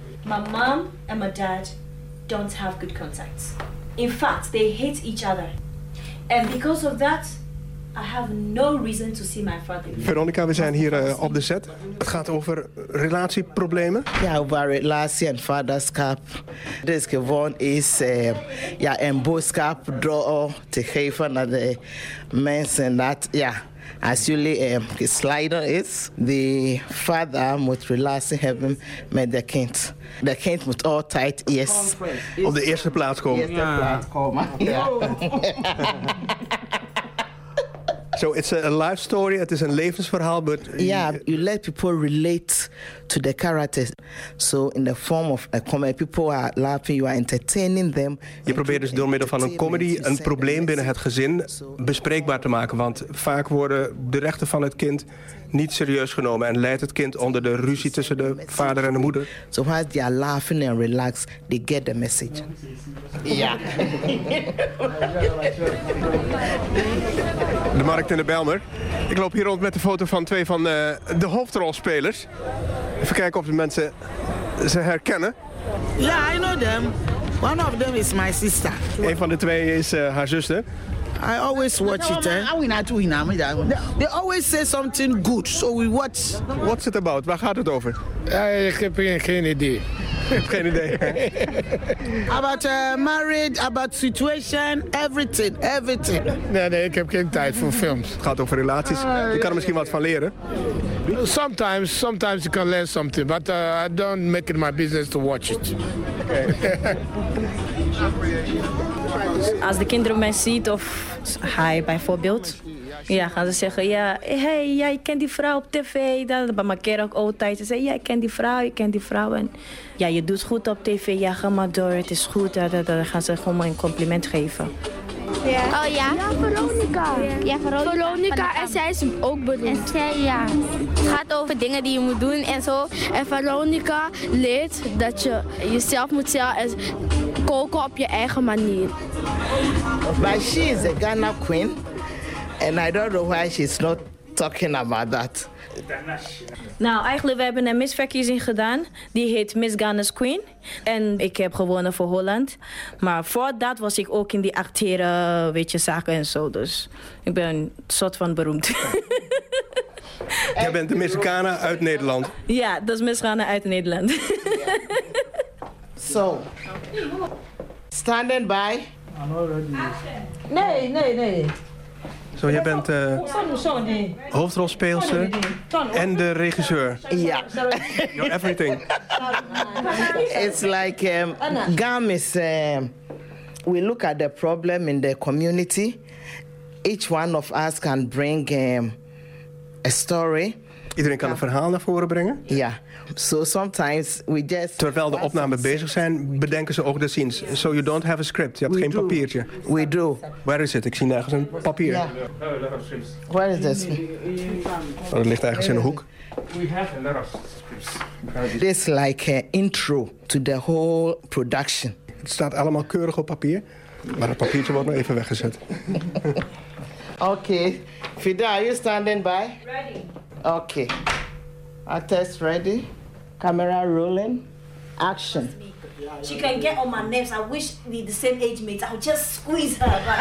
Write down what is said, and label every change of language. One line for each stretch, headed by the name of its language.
English: My mom and my dad don't have good contacts. In fact, they hate each other. And because of that, I have no reason to see my father.
Dutch: Veronica, we zijn hier op de set. Het gaat over relatieproblemen. Ja, over relatie en vaderschap. Het is gewoon is een boodschap door te geven naar de mensen dat ja, als jullie de slider is, de vader moet relatie hebben met de kind. De kind moet altijd yes. Op de eerste plaats komen. Eerste plaats komen. Ja.
English: So it's a life story, it is a levensverhaal, but... Yeah, you let people relate to the characters. So in the form of a comedy, people are laughing, you are entertaining them.
Dutch: Je probeert dus door middel van een comedy een probleem binnen het gezin bespreekbaar te maken. Want vaak worden de rechten van het kind niet serieus genomen. En leidt het kind onder de ruzie tussen de vader en de moeder.
English: So while they are laughing and relaxed, they get the message.
Dutch: Ja. De markt in de Bijlmer. Ik loop hier rond met de foto van twee van de hoofdrolspelers. Even kijken of de mensen ze herkennen.
English: Ja, I know them. One of them is my sister.
Dutch: Een van de twee is haar zuster.
English: I always watch it. They always say something good, so we watch.
Dutch: What's it about? Waar gaat het over? Ik heb geen idee. Geen idee.
English: About marriage, about situation, everything, everything.
Dutch: Nee, ik heb geen tijd voor films. Het gaat over relaties. Je kan er misschien wat van leren.
English: Sometimes you can learn something, but I don't make it my business to watch it.
Dutch: Als de kinderen mij ziet of hij bijvoorbeeld, ja, gaan ze zeggen, ja, hey, jij kent die vrouw op tv. Dat bij mijn kerel ook altijd. Ze zeggen, jij kent die vrouw, je kent die vrouw. En ja, je doet goed op tv, ja, ga maar door, het is goed. Dan gaan ze gewoon maar een compliment geven. Ja. Oh ja. Ja, Veronica. Ja, Veronica. En zij is ook beroemd. En zij, ja. Het gaat over dingen die je moet doen en zo. En Veronica leert dat je jezelf moet stellen en koken op je eigen manier.
English: But she is a Ghana queen. And I don't know why she's not talking about that.
Dutch: Nou, eigenlijk, we hebben een misverkiezing gedaan. Die heet Miss Ghana's Queen. En ik heb gewonnen voor Holland. Maar voor dat was ik ook in die acteren, weet je, zaken en zo. Dus ik ben een soort van beroemd. Jij bent de Miss Ghana uit Nederland. Ja, dat is Miss Ghana uit Nederland.
English: So, standing by.
Dutch: Nee. Zo, jij bent hoofdrolspeelster en de regisseur. Ja.
English: You're everything. It's like GAM is, we look at the problem in the community. Each one of us can bring a story.
Dutch: Iedereen kan een verhaal naar voren brengen.
English: Ja. So sometimes we just.
Dutch: Terwijl de opnamen bezig zijn, bedenken ze ook de scenes.
English: So you don't have a script. Je hebt geen papiertje. We do. Where is it?
Dutch: Ik zie nergens een papier.
English: Yeah. Where is this?
Dutch: Oh, dat ligt ergens in de hoek.
English: We have a lot of scripts. This is like an intro to the whole production.
Dutch: Het staat allemaal keurig op papier. Maar het papiertje wordt nog even weggezet.
English: Oké. Okay. Fida, are you standing by? Ready. Oké. Okay. Attest ready. Camera rolling. action. She can get on my nerves. I wish we the same age mate. I'll just squeeze her.